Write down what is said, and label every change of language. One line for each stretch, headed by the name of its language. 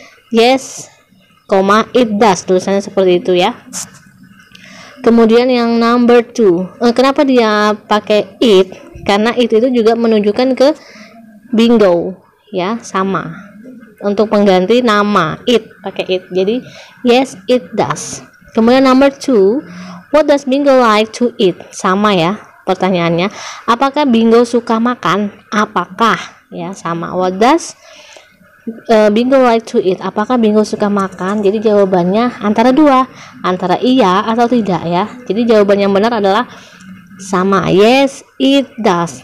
English: Yes,
Indonesian: koma it does tulisannya seperti itu, ya. Kemudian yang number 2. Kenapa dia pakai it? Karena it itu juga menunjukkan ke bingo, ya, sama. Untuk pengganti nama it, pakai it. Jadi
English: yes it does.
Indonesian: Kemudian
English: number 2, what does bingo like to eat?
Indonesian: Sama, ya, pertanyaannya. Apakah bingo suka makan? Apakah, ya, sama.
English: What does bingo like to eat?
Indonesian: Apakah bingo suka makan? Jadi jawabannya antara dua, antara iya atau tidak, ya. Jadi jawaban yang benar adalah sama,
English: yes it does.